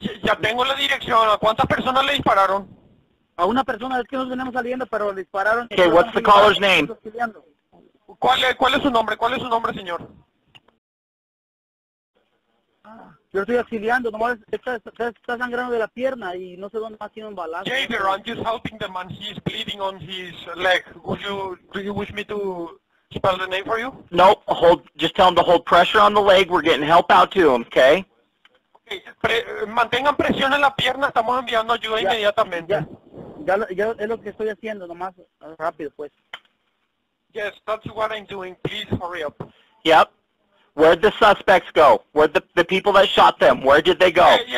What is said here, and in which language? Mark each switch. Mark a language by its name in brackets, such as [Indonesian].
[Spanish] Ya tengo la dirección. ¿A cuántas personas le dispararon? A una persona. Es que nos venimos saliendo, pero le dispararon. [English] Okay, what's the caller's name? [Spanish] ¿Cuál es su nombre? ¿Cuál es su nombre, señor? Yo estoy auxiliando, nomás está sangrando de la pierna y no sé dónde más tiene un balazo. [English] Javier, I'm just helping the man, he's bleeding on his leg. Would you, do you wish me to spell the name for you? No, hold, just tell him to hold pressure on the leg, we're getting help out to him, okay? [Spanish] Okay, mantengan presión en la pierna, estamos enviando ayuda inmediatamente. Ya es lo que estoy haciendo, nomás rápido, pues. [English] Yes, that's what I'm doing, please hurry up. Yep. Where'd the suspects go? Where'd the people that shot them, where did they go?